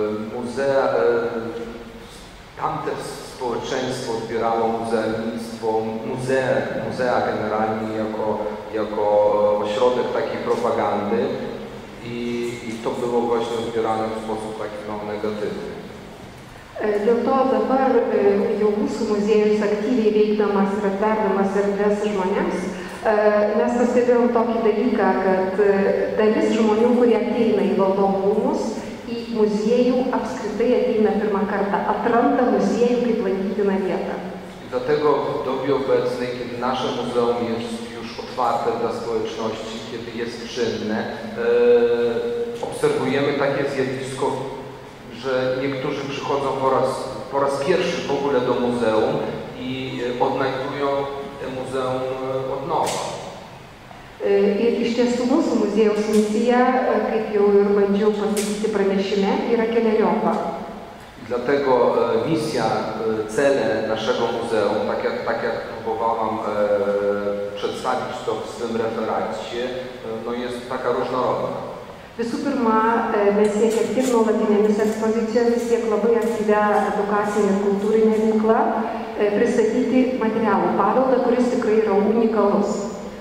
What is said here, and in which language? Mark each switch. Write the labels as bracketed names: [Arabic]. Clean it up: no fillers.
[Polish] Muzea, tamte społeczeństwo odbierało muzealnictwo, muzea generalnie jako ośrodek takiej propagandy. I to było właśnie odbierane w sposób taki negatywny. [Lithuanian] Dėl to dabar jau mūsų muziejus aktyviai veikdamas ir atverdamas erdves žmonėms, mes pastebėjom tokį dalyką, kad dalis žmonių, kurie ateina į valdovų rūmus, į muziejų apskritai ateina pirmą kartą, atranda muziejų kaip lankytiną vietą. [Polish] Dlatego w dobie obecnej, kiedy nasze muzeum jest już otwarte dla społeczności, kiedy jest czynne, obserwujemy takie zjawisko, że niektórzy przychodzą po raz pierwszy w ogóle do muzeum i odnajdują te muzeum od nowa. [Lithuanian] Iš tiesų mūsų muziejaus misija, kaip jau ir bandžiau pasakyti pranešime, yra keleriopa. [Polish] Dlatego misja, cele naszego muzeum, tak jak próbowałam przedstawić to w swym referacie, no jest taka różnorodna. [Lithuanian] Visų pirma, mes siekiam tiek nuolatinėmis ekspozicijomis, tiek labai aktyvia edukacinė ir kultūrinė veikla pristatyti materialų paveldą, kuris tikrai yra unikalus.